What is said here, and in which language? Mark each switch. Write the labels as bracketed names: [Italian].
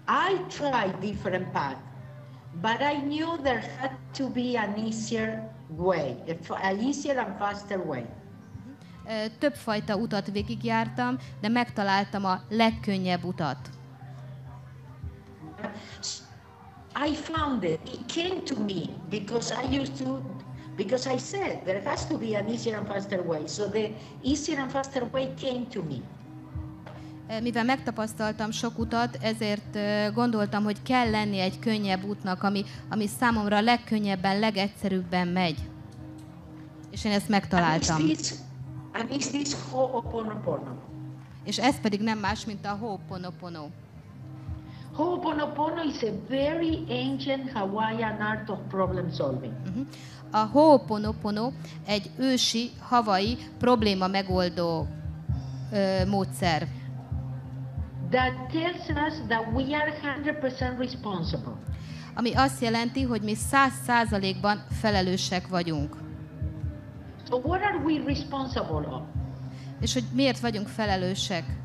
[English] I tried different path, but I knew there had to be an easier way, an easier and faster way. [Hungarian] Többfajta utat végigjártam, de megtaláltam a legkönnyebb utat. [English] I found it. It came to me because I said there has to be an easier and faster way. So the easier and faster way came to me. [Hungarian] Mivel megtapasztaltam sok utat, ezért gondoltam, hogy kell lenni egy könnyebb útnak, ami számomra legkönnyebben, legegyszerűbben megy. És én ezt megtaláltam. [English] And is this Ho'oponopono? [Hungarian] És ez pedig nem más, mint a Ho'oponopono. [English] Ho'oponopono is a very ancient Hawaiian art of problem solving. Uh-huh. [Hungarian] A Ho'oponopono egy ősi hawaii probléma megoldó módszer. [English] That tells us that we are 100% responsible. [Hungarian] Ami azt jelenti, hogy mi 100%-ban felelősek vagyunk. [English] So what are we responsible of? [Hungarian] És hogy miért vagyunk felelősek?